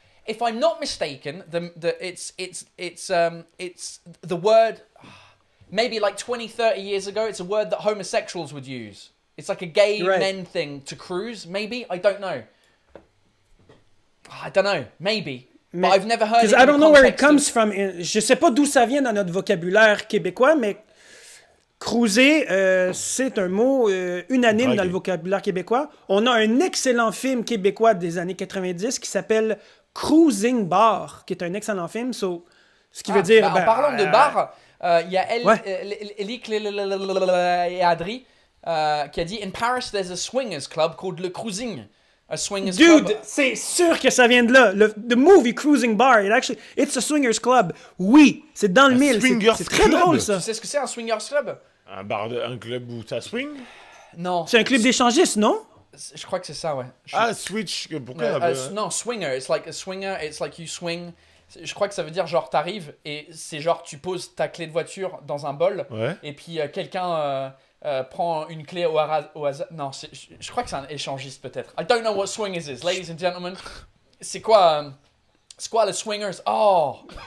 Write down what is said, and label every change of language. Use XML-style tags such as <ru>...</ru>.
<en>If I'm not mistaken, it's the word, maybe like 20, 30 years ago, it's a word that homosexuals would use. It's like a gay men thing to cruise, maybe? I don't know. Maybe. Mais, but I've never heard it. Because I don't know where it comes from.</en> <fr>Je sais pas d'où ça vient dans notre vocabulaire québécois, mais cruiser, c'est un mot unanime dans le vocabulaire québécois. On a un excellent film québécois des années 90 qui s'appelle... Cruising Bar, qui est un excellent film, so, ce qui veut dire... Bah, en parlant de bar, il y a Elie et Adri qui a dit «</fr> <en>In Paris, there's a swingers club called Le Cruising. A swingers Dude, club. »</en> <fr>Dude, c'est sûr que ça vient de là.</fr> <en>The movie Cruising Bar, it's a swingers club.</en> <fr>Oui, c'est dans le mille. C'est très drôle, ça. Tu sais ce que c'est, un swingers club? Un club où ça swing? Non. C'est un club d'échangistes, non? Je crois que c'est ça, ouais. Switch, pourquoi</fr> <en>Non, swinger, it's like a swinger, it's like you swing.</en> <fr>Je crois que ça veut dire genre t'arrives et c'est genre tu poses ta clé de voiture dans un bol et puis quelqu'un prend une clé au hasard. Non, je crois que c'est un échangiste peut-être.</fr> <en>I don't know what swingers is, ladies and gentlemen.</en> <fr>C'est quoi le swingers?</fr> <en>Oh,</en>